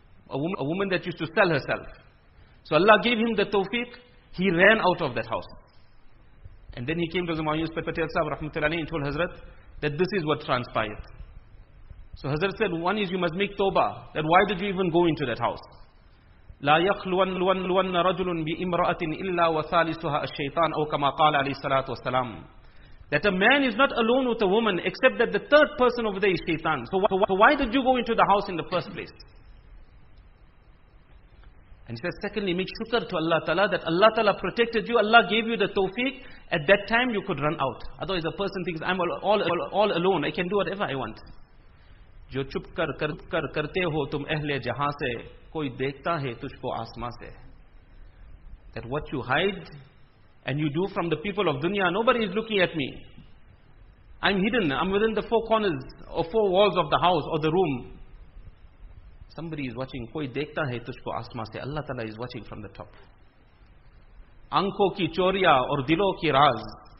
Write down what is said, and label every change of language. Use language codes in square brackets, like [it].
[en] A woman that used to sell herself. So Allah gave him the tawfiq. He ran out of that house. And then he came to the Mawiyus Patel Sahib Rahmatullahi and told Hazrat that this is what transpired. So Hazrat said, one is you must make tawbah. Then why did you even go into that house? [ar] لا يخلون رجل بامرأة إلا وثالثها الشيطان أو كما قال عليه الصلاة والسلام. [en] That a man is not alone with a woman except that the third person over there is shaitan. So why did you go into the house in the first place? And he says, secondly, make shukr to Allah Ta'ala that Allah Ta'ala protected you, Allah gave you the tawfiq, at that time you could run out. Otherwise a person thinks, I'm all alone, I can do whatever I want. [ur] جو چھپ کر کر کرتے ہو تم اہل جہاں سے کوئی دیکھتا ہے تجھ کو آسمان سے. [en] That what you hide and you do from the people of dunya, nobody is looking at me. I'm hidden, I'm within the four corners or four walls of the house or the room. Somebody is watching. [ur] کوئی دیکھتا ہے تجھ کو آسمان سے. [en] Allah Ta'ala is watching from the top. [ur] آنکھوں کی چوریا اور دلوں کی راز.